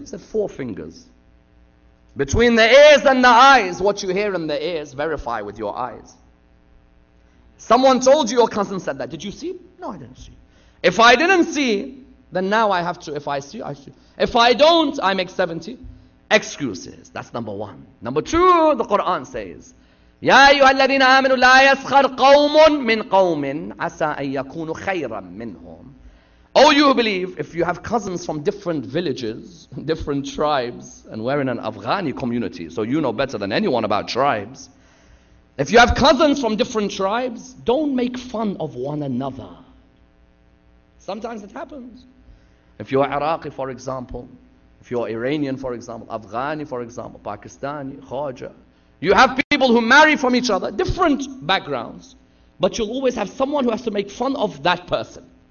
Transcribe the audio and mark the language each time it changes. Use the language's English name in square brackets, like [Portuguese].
[English] He said, four fingers. Between the ears and the eyes, what you hear in the ears, verify with your eyes. Someone told you, your cousin said that. Did you see? No, I didn't see. If I didn't see, then now I have to, if I see, I see. If I don't, I make 70. Excuses. That's number one. Number two, the Quran says, [Arabic] يَا أَيُّهَا الَّذِينَ آمِنُوا لَا يَسْخَرْ قَوْمٌ مِّن قَوْمٍ عَسَىٰ أَن يَكُونُ خَيْرًا مِّنْهُمْ. [English] Oh, you believe, if you have cousins from different villages, different tribes, and we're in an Afghani community, so you know better than anyone about tribes. If you have cousins from different tribes, don't make fun of one another. Sometimes it happens. If you're Iraqi, for example, if you're Iranian, for example, Afghani, for example, Pakistani, Khawaja, you have people who marry from each other, different backgrounds, but you'll always have someone who has to make fun of that person.